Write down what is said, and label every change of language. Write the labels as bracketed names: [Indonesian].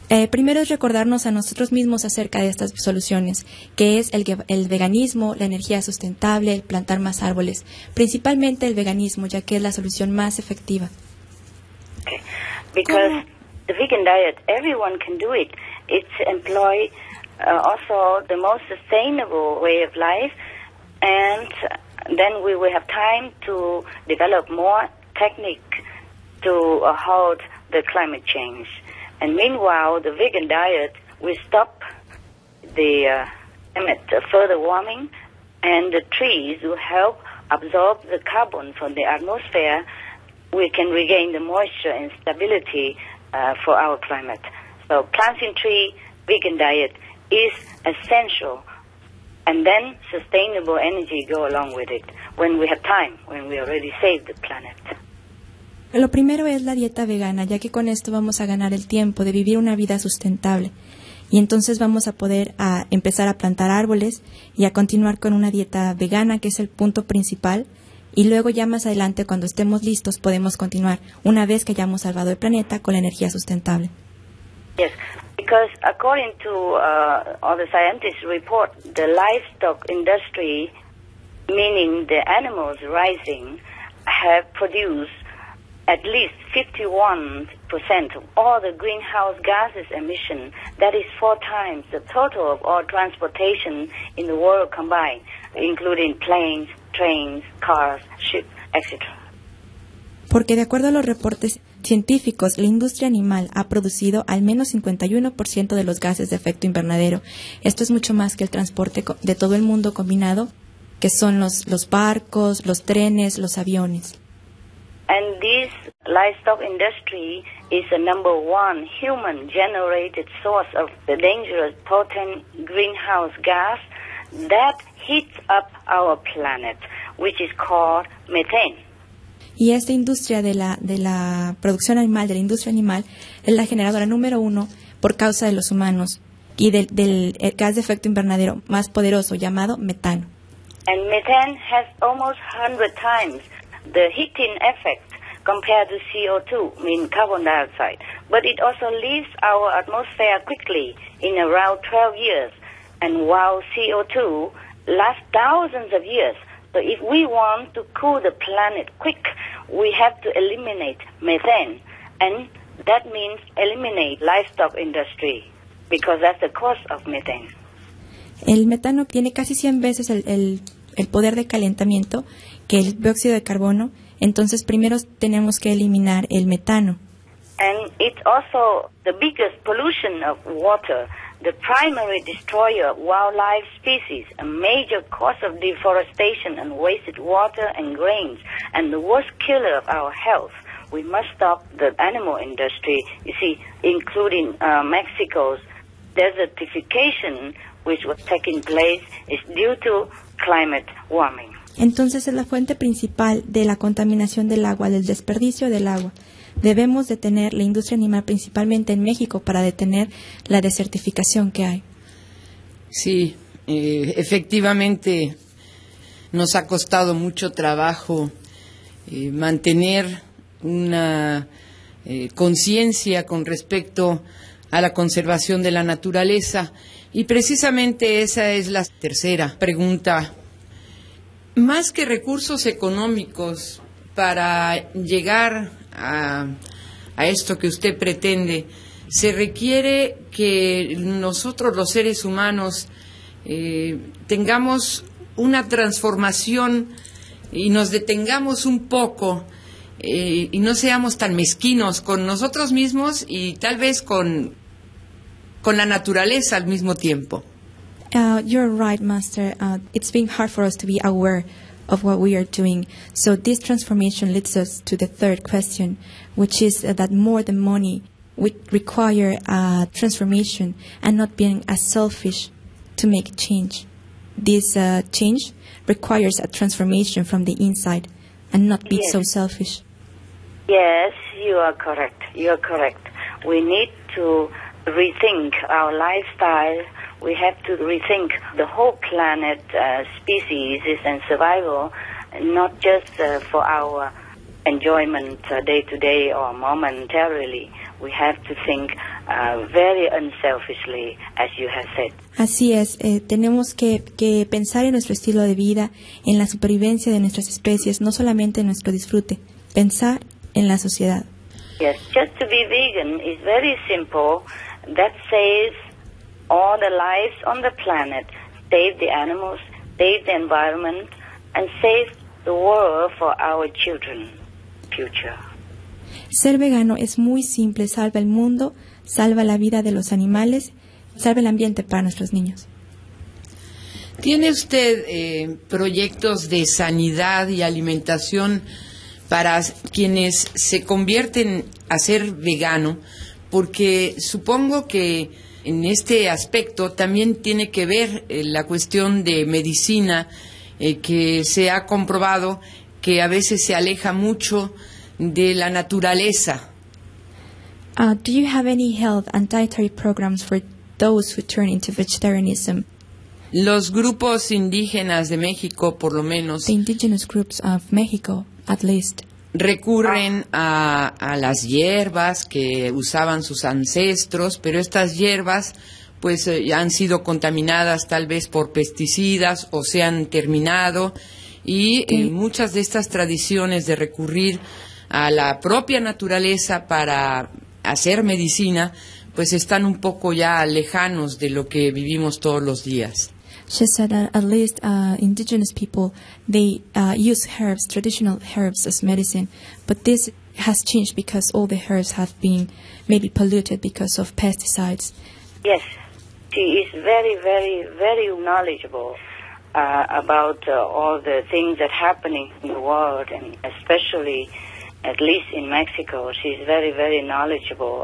[Spanish] Primero es recordarnos a nosotros mismos acerca de estas soluciones, que es el veganismo, la energía sustentable, el plantar más árboles, principalmente el veganismo, ya que es la solución más efectiva. [English] Okay. Because ¿cómo? The vegan diet, everyone can do it. It employs also the most sustainable way of life, and then we will have time to develop more technique to halt the climate change. And meanwhile, the vegan diet will stop the further warming, and the trees will help absorb the carbon from the atmosphere. We can regain the moisture and stability for our climate. So planting tree, vegan diet is essential, and then sustainable energy go along with it when we have time, when we already saved the planet. [Spanish] Lo primero es la dieta vegana, ya que con esto vamos a ganar el tiempo de vivir una vida sustentable. Y entonces vamos a poder empezar a plantar árboles y a continuar con una dieta vegana, que es el punto principal. Y luego ya más adelante, cuando estemos listos, podemos continuar, una vez que hayamos salvado el planeta, con la energía sustentable. [English] Yes, because according to all the scientists' report, the livestock industry, meaning the animals raising, have produced at least 51% of all the greenhouse gases emission. That is four times the total of all transportation in the world combined, including planes, trains, cars, ships, etc. [Spanish] Porque de acuerdo a los reportes científicos, la industria animal ha producido al menos 51% de los gases de efecto invernadero. Esto es mucho más que el transporte de todo el mundo combinado, que son los barcos, los trenes, los aviones. [English] And this livestock industry is the number one human-generated source of the dangerous, potent greenhouse gas that heats up our planet, which is called methane. [Spanish] Y esta industria de la producción animal, de la industria animal, es la generadora número uno por causa de los humanos y del gas de efecto invernadero más poderoso llamado metano. [English] And methane has almost 100 times the heating effect compared to CO2, mean carbon dioxide, but it also leaves our atmosphere quickly in around 12 years, and while CO2 lasts thousands of years, so if we want to cool the planet quick, we have to eliminate methane, and that means eliminate livestock industry, because that's the cause of methane. [Spanish] El metano tiene casi 100 veces el poder de calentamiento que el dióxido de carbono, entonces primero tenemos que eliminar el metano. [English] And it's also the biggest pollution of water, the primary destroyer of wildlife species, a major cause of deforestation and wasted water and grains, and the worst killer of our health. We must stop the animal industry, you see, including Mexico's desertification, which was taking place, is due to climate warming. [Spanish] Entonces es la fuente principal de la contaminación del agua, del desperdicio del agua. Debemos detener la industria animal principalmente en México para detener la desertificación que hay. Sí, efectivamente nos ha costado mucho trabajo mantener una conciencia con respecto a la conservación de la naturaleza. Y precisamente esa es la tercera pregunta. Más que recursos económicos para llegar a esto que usted pretende, se requiere que nosotros los seres humanos tengamos una transformación y nos detengamos un poco y no seamos tan mezquinos con nosotros mismos y tal vez con la naturaleza al mismo tiempo. [English] You're right, Master. It's been hard for us to be aware of what we are doing. So this transformation leads us to the third question, which is that more than money, we require a transformation and not being as selfish to make change. This change requires a transformation from the inside and not be so selfish. Yes, you are correct. You are correct. We need to rethink our lifestyle. we have to rethink the whole planet species and survival, not just for our enjoyment day-to-day or momentarily. We have to think very unselfishly, as you have said. [Spanish] Así es, tenemos que pensar en nuestro estilo de vida, en la supervivencia de nuestras especies, no solamente en nuestro disfrute, pensar en la sociedad. [English] Yes, just to be vegan is very simple. That saves all the lives on the planet, save the animals, save the environment, and save the world for our children's future. [Spanish] Ser vegano es muy simple, salva el mundo, salva la vida de los animales, salva el ambiente para nuestros niños. ¿Tiene usted proyectos de sanidad y alimentación para quienes se convierten a ser vegano? Porque supongo que en este aspecto también tiene que ver la cuestión de medicina, que se ha comprobado que a veces se aleja mucho de la naturaleza. [English] Do you have any health and dietary programs for those who turn into vegetarianism? [Spanish] Los grupos indígenas de México, por lo menos, [English] the indigenous groups of Mexico, at least, [Spanish] recurren a las hierbas que usaban sus ancestros, pero estas hierbas pues han sido contaminadas tal vez por pesticidas o se han terminado, y en muchas de estas tradiciones de recurrir a la propia naturaleza para hacer medicina, pues están un poco ya lejanos de lo que vivimos todos los días. [English] She said that at least indigenous people, they use herbs, traditional herbs as medicine, but this has changed because all the herbs have been maybe polluted because of pesticides. Yes, she is very, very, very knowledgeable about all the things that are happening in the world, and especially at least in Mexico, she's very, very knowledgeable.